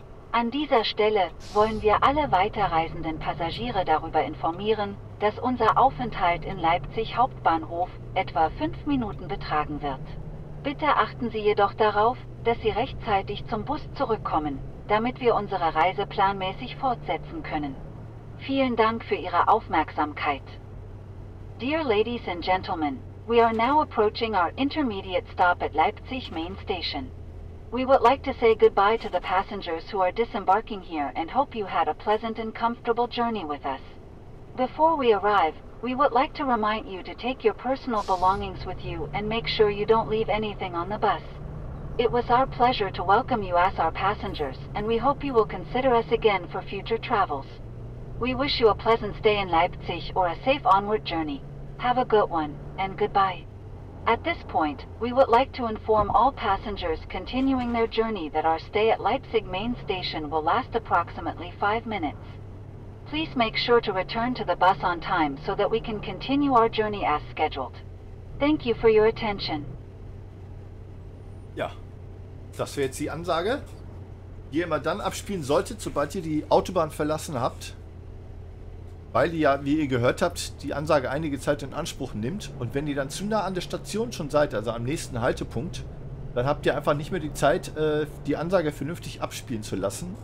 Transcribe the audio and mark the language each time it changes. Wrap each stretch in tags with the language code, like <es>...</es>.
<de>An dieser Stelle wollen wir alle weiterreisenden Passagiere darüber informieren, dass unser Aufenthalt im Leipzig Hauptbahnhof etwa 5 Minuten betragen wird. Bitte achten Sie jedoch darauf, dass Sie rechtzeitig zum Bus zurückkommen, damit wir unsere Reise planmäßig fortsetzen können. Vielen Dank für Ihre Aufmerksamkeit.</de> <en>Dear ladies and gentlemen, we are now approaching our intermediate stop at Leipzig Main Station. We would like to say goodbye to the passengers who are disembarking here and hope you had a pleasant and comfortable journey with us. Before we arrive, we would like to remind you to take your personal belongings with you and make sure you don't leave anything on the bus. It was our pleasure to welcome you as our passengers, and we hope you will consider us again for future travels. We wish you a pleasant stay in Leipzig or a safe onward journey. Have a good one, and goodbye. At this point, we would like to inform all passengers continuing their journey that our stay at Leipzig Main Station will last approximately 5 minutes. Please make sure to return to the bus on time so that we can continue our journey as scheduled. Thank you for your attention.</en> <de>Ja, das wäre jetzt die Ansage, die ihr immer dann abspielen solltet, sobald ihr die Autobahn verlassen habt. Weil ihr ja, wie ihr gehört habt, die Ansage einige Zeit in Anspruch nimmt. Und wenn ihr dann zu nah an der Station schon seid, also am nächsten Haltepunkt, dann habt ihr einfach nicht mehr die Zeit, die Ansage vernünftig abspielen zu lassen.</de>